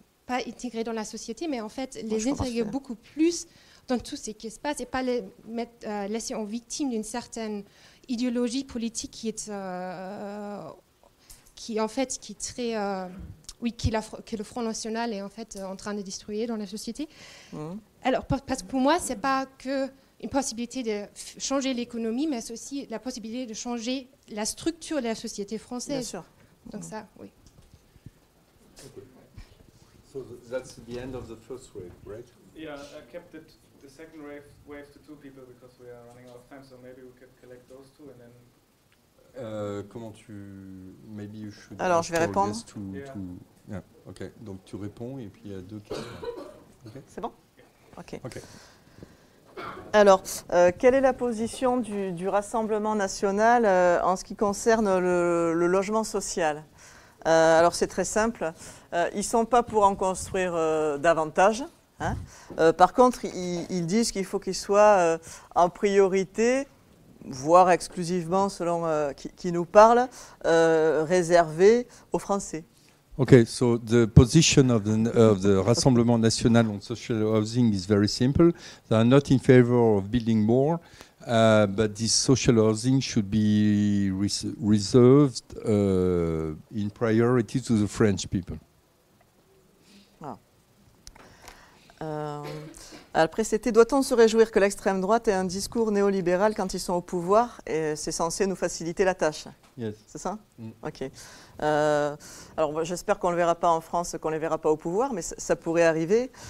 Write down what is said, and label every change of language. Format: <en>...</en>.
<fr>pas intégré dans la société, mais en fait, les intégrer beaucoup plus dans tout ce qui se passe et pas les mettre, laisser en victime d'une certaine idéologie politique qui le Front National est en fait en train de détruire dans la société. Mmh. Alors, parce que pour moi, c'est pas que une possibilité de changer l'économie, mais c'est aussi la possibilité de changer la structure de la société française. Bien sûr. Donc ça, oui.</fr> <en>So that's the end of the first wave, right? Yeah, I kept it the second wave to two people because we are running out of time, so maybe we could collect those two and then...</en> <fr>Comment tu...</fr> <en>Maybe you should...</en> <fr>Alors, je vais répondre.</fr> <en>Yes to, yeah. To, yeah.</en> <fr>OK, donc tu réponds et puis il y a deux questions. Okay. C'est bon? OK. OK. Alors, quelle est la position du Rassemblement national en ce qui concerne le logement social? Alors, c'est très simple. Ils ne sont pas pour en construire davantage. Hein. Par contre, ils disent qu'il faut qu'ils soient en priorité, voire exclusivement, selon qui nous parle, réservés aux Français.</fr> <en>OK, so the position of the Rassemblement National on social housing is very simple. They are not in favor of building more, but this social housing should be reserved in priority to the French people. Ah.</en> <fr>Après, c'était « Doit-on se réjouir que l'extrême droite ait un discours néolibéral quand ils sont au pouvoir et c'est censé nous faciliter la tâche ?»</fr> <en>Yes.</en> <fr>C'est ça ? Mm. OK. Alors, j'espère qu'on ne le verra pas en France, qu'on ne les verra pas au pouvoir, mais ça pourrait arriver.</fr>